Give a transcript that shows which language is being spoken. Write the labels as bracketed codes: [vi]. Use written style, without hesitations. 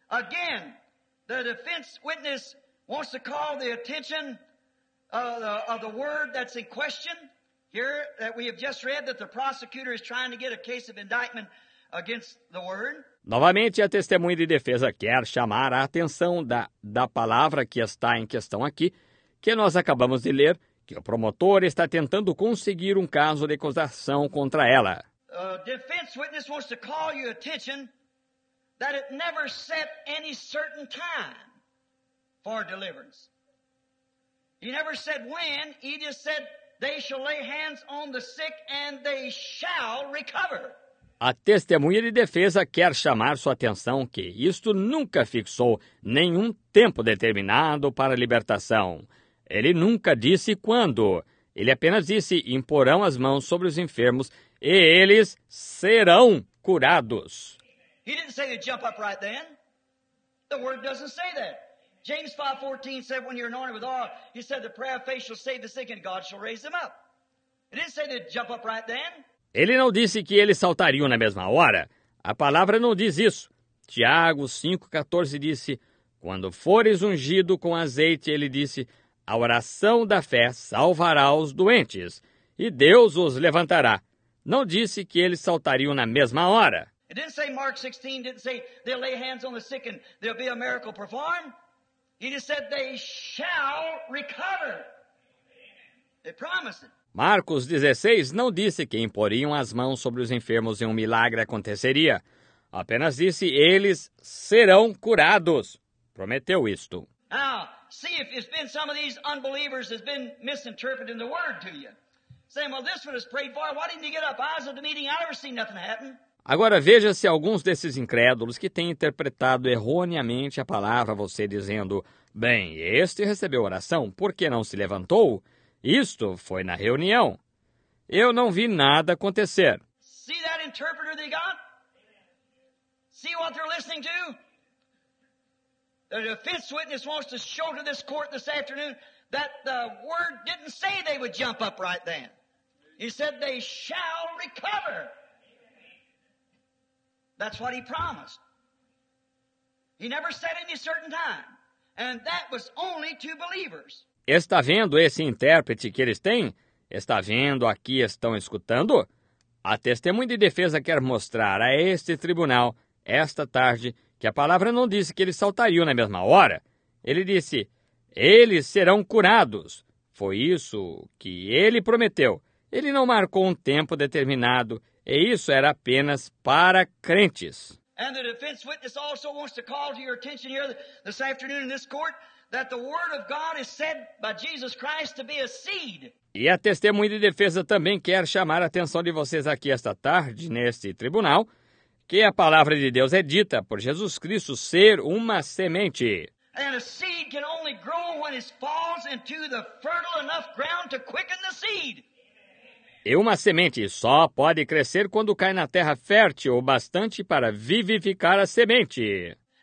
[en] Again, the defense witness wants to call the attention of the word that's in question here that we have just read that the prosecutor is trying to get a case of indictment against the word. [pt] Novamente, a testemunha de defesa quer chamar a atenção da palavra que está em questão aqui, que nós acabamos de ler, que o promotor está tentando conseguir um caso de acusação contra ela. [en] A defense witness wants to call your attention that it never set any certain time for deliverance. He never said when, he just said they shall lay hands on the sick and they shall recover. [pt] A testemunha de defesa quer chamar sua atenção que isto nunca fixou nenhum tempo determinado para a libertação. Ele nunca disse quando. Ele apenas disse, imporão as mãos sobre os enfermos e eles serão curados. [en] He didn't say to jump up right then. The word doesn't say that. James 5:14 said when you're anointed with oil, he said the prayer of faith shall save the sick and God shall raise them up. He didn't say to jump up right then. [pt] Ele não disse que eles saltariam na mesma hora. A palavra não diz isso. Tiago 5,14 disse, quando fores ungido com azeite, ele disse, a oração da fé salvará os doentes e Deus os levantará. Não disse que eles saltariam na mesma hora. Ele não disse Mark 16, não disse, [en] they'll lay hands on the sick and there'll be a miracle performed. He just said, they shall recover. They promised it. [pt] Marcos 16 não disse que imporiam as mãos sobre os enfermos e um milagre aconteceria. Apenas disse, eles serão curados. Prometeu isto. [en] Now, see if it's been some of these unbelievers has been misinterpreting the word to you. Saying, well, this one is prayed for. Why didn't you get up? I was at the meeting. I never seen nothing happen. [pt] Agora veja se alguns desses incrédulos que têm interpretado erroneamente a palavra, você dizendo, bem, este recebeu oração, por que não se levantou? Isto foi na reunião. Eu não vi nada acontecer. [en] See that interpreter they got? See what they're listening to? The defense witness wants to show to this court this afternoon that the word didn't say they would jump up right then. He said they shall recover. That's what he promised. He never said any certain time. And that was only to believers. [pt] Está vendo esse intérprete que eles têm? Está vendo aqui, estão escutando? A testemunha de defesa quer mostrar a este tribunal, esta tarde, que a palavra não disse que eles saltariam na mesma hora. Ele disse, eles serão curados. Foi isso que ele prometeu. Ele não marcou um tempo determinado, e isso era apenas para crentes. [en] And the defense witness also wants to call to your attention here this afternoon in this court that the word of God is said by Jesus Christ to be a seed. [pt] E a testemunha de defesa também quer chamar a atenção de vocês aqui esta tarde neste tribunal que a palavra de Deus é dita por Jesus Cristo ser uma semente. [en] And a seed can only grow when it falls into the fertile enough ground to quicken the seed. [pt] E uma semente só pode crescer quando cai na terra fértil o bastante para vivificar a semente.